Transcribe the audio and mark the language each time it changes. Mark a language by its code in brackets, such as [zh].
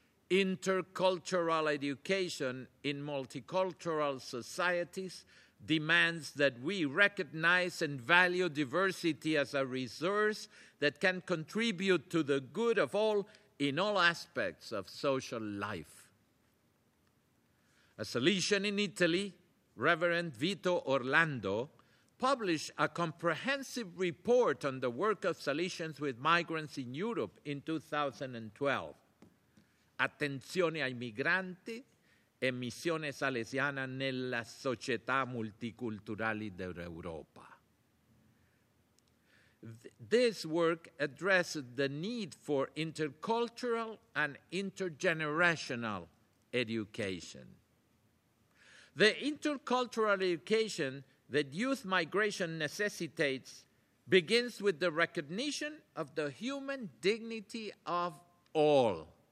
[en] Intercultural education in multicultural societies demands that we recognize and value diversity as a resource that can contribute to the good of all in all aspects of social life. A Salesian in Italy, Reverend Vito Orlando, published a comprehensive report on the work of Salesians with migrants in Europe in 2012. [it] Attenzione ai migranti e missione salesiana nella società multiculturale d'Europa. [en] This work addresses the need for intercultural and intergenerational education. The intercultural education that youth migration necessitates begins with the recognition of the human dignity of all.